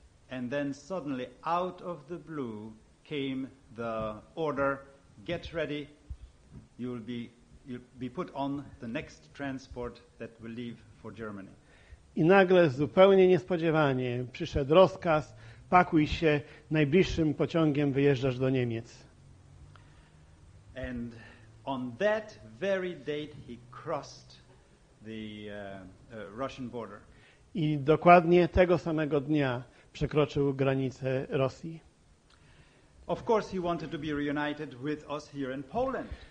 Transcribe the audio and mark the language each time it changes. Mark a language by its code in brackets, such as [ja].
[en] And then suddenly out of the blue came the order, get ready, you'll be put on the next transport that will leave for Germany. [pl] I nagle zupełnie niespodziewanie przyszedł rozkaz, pakuj się, najbliższym pociągiem wyjeżdżasz do Niemiec. [en] And on that very date he crossed the Russian border. [pl] I dokładnie tego samego dnia przekroczył granicę Rosji. [en] Of course he wanted to be reunited with us here in Poland.